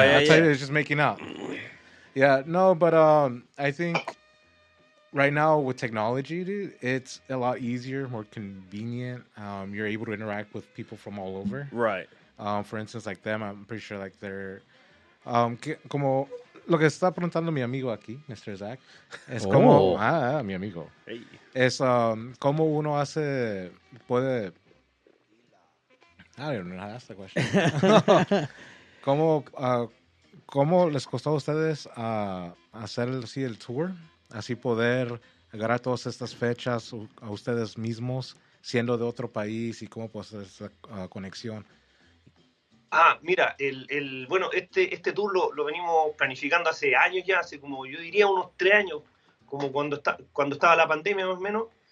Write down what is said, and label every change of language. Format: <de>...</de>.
<en>I tell you, it's just making out. Yeah. No, but I think... Right now, with technology, dude, it's a lot easier, more convenient. You're able to interact with people from all over. Right. For instance, like them, I'm pretty sure like they're...</en> <es>como lo que está preguntando mi amigo aquí, Mr. Zach, es como... mi amigo.</es> <en>Hey.</en> <es>Es como uno hace... Puede...</es> <en>I don't know how to ask the question.</en> <es>¿Cómo les costó a ustedes hacer así el tour? Así poder agarrar todas estas fechas a ustedes mismos, siendo de otro país, y cómo puede ser esa conexión. Ah, mira, este tour lo venimos planificando hace años ya, hace como yo diría unos 3 años, como cuando estaba la pandemia más o menos.</es>